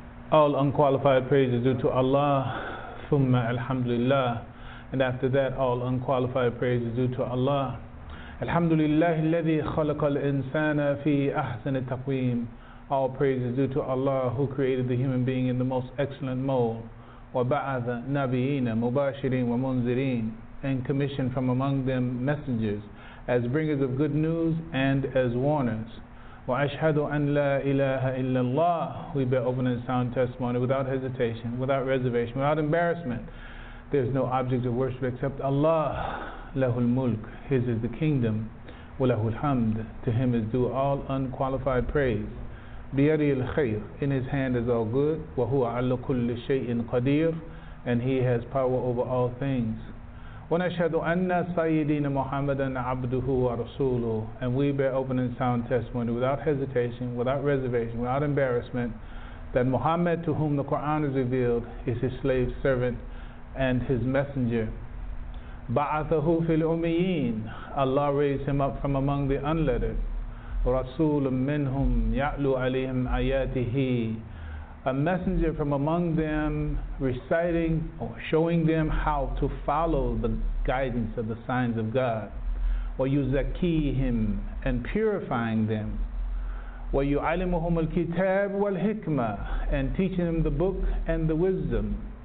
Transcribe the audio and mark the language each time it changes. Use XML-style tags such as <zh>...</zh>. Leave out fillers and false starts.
<en>All unqualified praise is due to Allah. Thumma alhamdulillah. And after that, all unqualified praise is due to Allah.</en> <ar>Alhamdulillah, الذي خلق الإنسان في أحسن التقويم.</ar> <en>All praise is due to Allah, who created the human being in the most excellent mold.</en> <ar>وبعث نبيين مباشرين ومنذرين,</ar> <en>and commissioned from among them messengers, as bringers of good news and as warners.</en> <ar>وأشهد أن لا إله إلا الله.</ar> <en>We bear open and sound testimony without hesitation, without reservation, without embarrassment. There is no object of worship except Allah.</en> <ar>له الملك.</ar> <en>His is the kingdom.</en> <ar>وله الحمد.</ar> <en>To him is due all unqualified praise.</en> <ar>بيده الخير.</ar> <en>In his hand is all good.</en> <ar>وهو على كل شيء قدير.</ar> <en>And he has power over all things.</en> <ar>ونشهد أن سيدنا محمدا عبده ورسوله.</ar> <en>And we bear open and sound testimony without hesitation, without reservation, without embarrassment, that Muhammad, to whom the Quran is revealed, is his slave servant and his messenger.</en> <ar>بعثه في الأميين.</ar> <en>Allah raised him up from among the unlettered.</en> <ar>رسول منهم يعلو عليهم آياته.</ar> <en>A messenger from among them, reciting or showing them how to follow the guidance of the signs of God. وَيُزَكِّيهِمْ, and purifying them.</en> <ar>وَيُعَلِمُهُمُ الْكِتَابُ وَالْحِكْمَةُ,</ar> <en>and teaching them the book and the wisdom.</en>